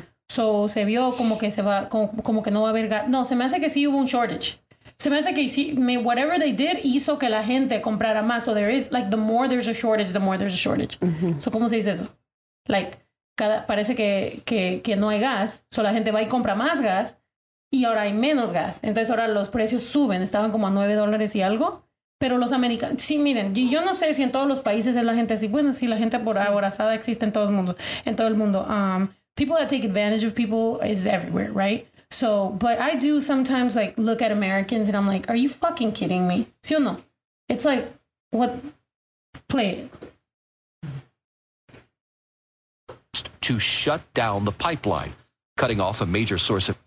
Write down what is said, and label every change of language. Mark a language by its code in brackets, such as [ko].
[es] So se vio como que se va, como que no va a haber gas. No, se me hace que sí hubo un shortage. Se me hace que sí, [en] whatever they did [es] hizo que la gente comprara más. [en] So there is, like, the more there's a shortage, the more there's a shortage. [es] Mm-hmm. So ¿cómo se dice eso? Like, cada, parece que no hay gas. So la gente va y compra más gas. Y ahora hay menos gas. Entonces ahora los precios suben. Estaban como a $9 y algo. Pero los americanos, sí, miren, yo no sé si en todos los países es la gente así. Bueno, sí, la gente por aborazada existe en todo el mundo. En todo el mundo. [en] People that take advantage of people is everywhere, right? So, but I do sometimes, like, look at Americans and I'm like, are you fucking kidding me? [es] ¿Sí o no? [en] It's like, what? Play it. To shut down the pipeline, cutting off a major source of...